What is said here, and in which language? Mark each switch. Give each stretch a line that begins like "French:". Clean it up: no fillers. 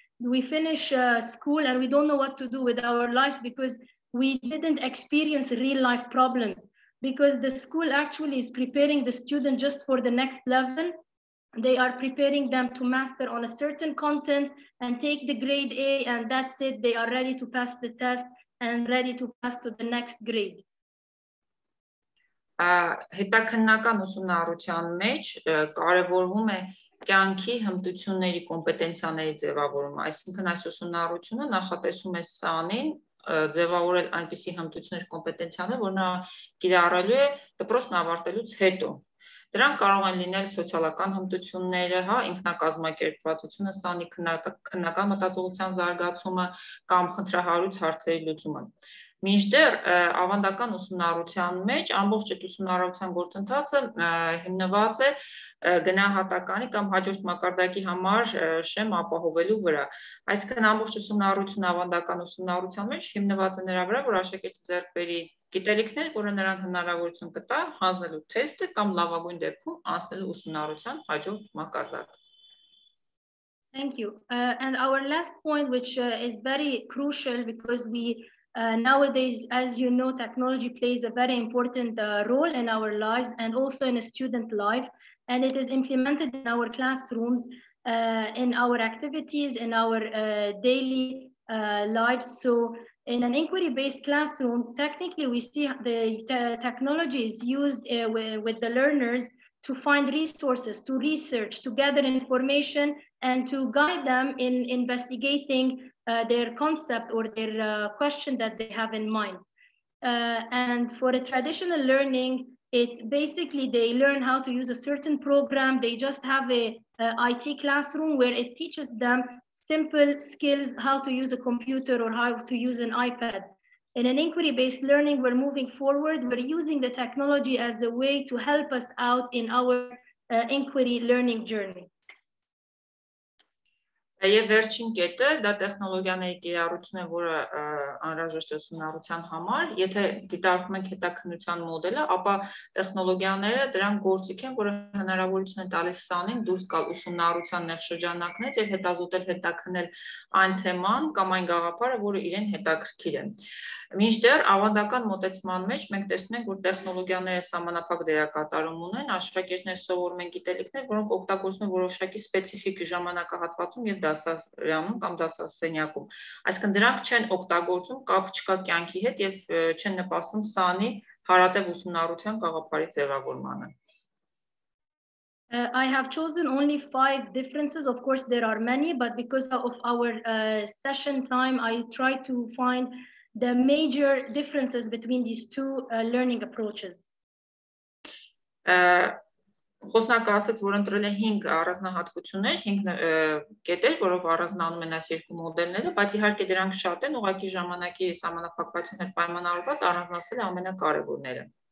English: We finish school and we don't know what to do with our lives because we didn't experience real life problems because the school actually is preparing the student just for the next level. They are preparing them to master on a certain content and take the grade A and that's it. They are ready to pass the test and ready to pass to the next grade.
Armenian: Հետաքննական ուսումնառության մեջ կարևորվում է կյանքի հմտությունների կոմպետենցիաների ձևավորումը, այսինքն այս ուսումնառությունը նախատեսում է ՍԱՆ-ին ձևավորել այնպիսի հմտություններ կոմպետենցիաներ, որ նա կիրառելու է դպրոցն ավարտելուց հետո։ Դրանք կարող են լինել սոցիալական հմտությունները, հա, ինքնակազմակերպվածությունը, ՍԱՆ-ի քննական մտածողության զարգացումը կամ խնդրահարույց հարցերի լուծումը։ Մինչդեռ ավանդական ուսումնառության մեջ ամբողջ այդ ուսումնառության գործընթացը հիմնված է գնահատականի կամ հաջորդ մակարդակի համար շեմ ապահովելու վրա։ Այսինքն ամբողջ ուսումնառությունը ավանդական ուսումնառության մեջ հիմնված է նրա վրա, որ աշակերտը ձեռք բերի գիտելիքներ, որը նրան հնարավորություն կտա հանձնելու թեստը կամ լավագույն դեպքում անցնելու ուսումնառության հաջորդ մակարդակ։
English: Thank you. And our last point, which is very crucial because we nowadays, as you know, technology plays a very important role in our lives and also in a student life. And it is implemented in our classrooms, in our activities, in our daily lives. So in an inquiry-based classroom, technically we see the technology is used with the learners to find resources, to research, to gather information, and to guide them in investigating their concept or their question that they have in mind. And for a traditional learning, it's basically they learn how to use a certain program. They just have a IT classroom where it teaches them simple skills, how to use a computer or how to use an iPad. In an inquiry-based learning, we're moving forward. We're using the technology as a way to help us out in our inquiry learning journey.
Armenian: Եվ վերջին կետը, դա տեխնոլոգիաների կիրառությունն է, որը անհրաժեշտ է ուսումնառության համար։ Եթե դիտարկում ենք հետաքննության մոդելը, ապա տեխնոլոգիաները դրան գործիք են, որը հնարավորություն է տալիս ՍԱՆ-ին դուրս գալ ուսումնառության ներշրջանակներից եւ հետազոտել հետաքննել այն թեման կամ այն գաղափարը, որը իրեն հետաքրքիր է։ Մինչդեռ ավանդական մոտեցման մեջ մենք տեսնում ենք, որ տեխնոլոգիաները համանախագահ դերակատարում ունեն, աշակերտներ սովորում են գիտելիքներ, որոնք օգտագործվում են որոշակի սպეციფიկ ժամանակահատվածում եւ դասարանում կամ դասասենյակում։ Այսինքն դրանք չեն օգտագործում կապ չկա կյանքի հետ եւ չեն նպաստում ՍԱՆ-ի հարատեւ ուսումնառության գաղափարի ձևավորմանը։
English: I have chosen only 5 differences. Of course there are many, but because of our session time I try to find the major differences between these two learning approaches.
Armenian: Խոսնակը ասաց, որ ընտրել է 5 առանձնահատկություններ, 5 կետեր, որով առանձնանում են այս երկու մոդելները, բայց իհարկե դրանք շատ են, ուղղակի ժամանակի համապատասխանություններ պայմանավորված առանձնացել ամենակարևորները։